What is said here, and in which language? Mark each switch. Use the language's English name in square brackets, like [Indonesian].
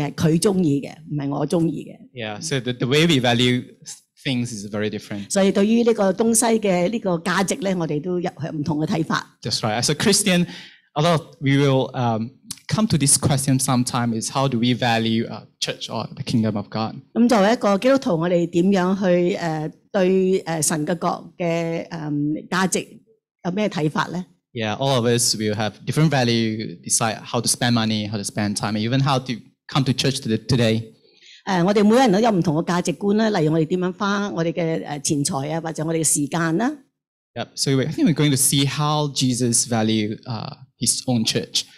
[Cantonese] 作為一個很有智慧的丈夫，我知道買嘢送俾Katie係佢中意嘅，唔係我中意嘅。 [English] Yeah, so the way we value things is very different. [Cantonese] 所以對於呢個東西嘅呢個價值咧，我哋都有唔同嘅睇法。 [English] That's right. As a Christian, although we will come to this question sometime, is how do we value church or the kingdom of God? [Cantonese] 作為一個基督徒，我哋點樣去對神嘅國嘅價值？有咩睇法呢? [English] Yeah, all of us will have different value, decide how to spend money, how to spend time, even how to come to church today. [Cantonese] 我哋每个人都有唔同嘅价值观啦，例如我哋点样花我哋嘅钱财啊，或者我哋嘅时间啦。 [English] Yep, so I think we're going to see how Jesus values his own church.